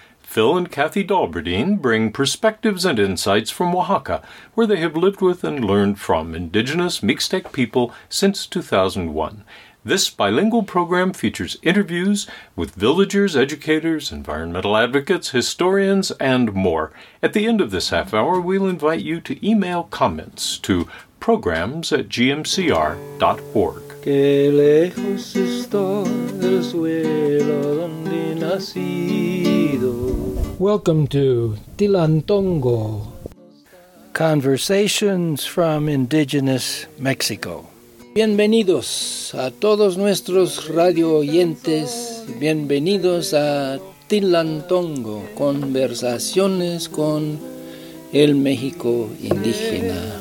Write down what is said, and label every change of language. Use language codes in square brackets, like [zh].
[en] Phil and Kathy Dalberdine bring perspectives and insights from Oaxaca, where they have lived with and learned from Indigenous Mixtec people since 2001. This bilingual program features interviews with villagers, educators, environmental advocates, historians, and more. At the end of this half hour, we'll invite you to email comments to programs@gmcr.org. [es] Que lejos está el suelo donde nacido. [en] Welcome to Tilantongo. Conversations from Indigenous Mexico. [es] Bienvenidos a todos nuestros radio oyentes. Bienvenidos a Tilantongo, conversaciones con el México indígena.